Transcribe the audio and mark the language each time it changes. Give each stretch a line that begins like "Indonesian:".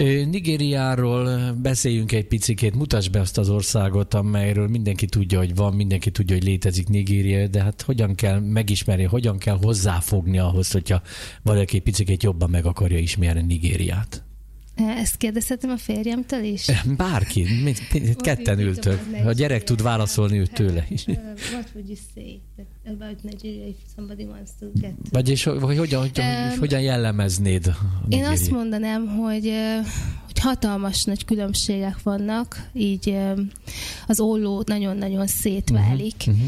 Hungarian: Nigériáról beszéljünk egy picikét, mutasd be azt az országot, amelyről mindenki tudja, hogy van, mindenki tudja, hogy létezik Nigéria, de hát hogyan kell megismerni, hogyan kell hozzáfogni ahhoz, hogyha valaki egy picikét jobban meg akarja ismerni Nigériát? Ezt kérdezhetem a férjemtől is? Bárki, ketten ültök. A gyerek tud válaszolni őt tőle is.
English: What would you say about Nigeria if somebody wants to get to...
Hungarian: Vagyis hogyan jellemeznéd? Én azt mondanám, hogy hatalmas nagy különbségek vannak, így az olló nagyon-nagyon szétválik.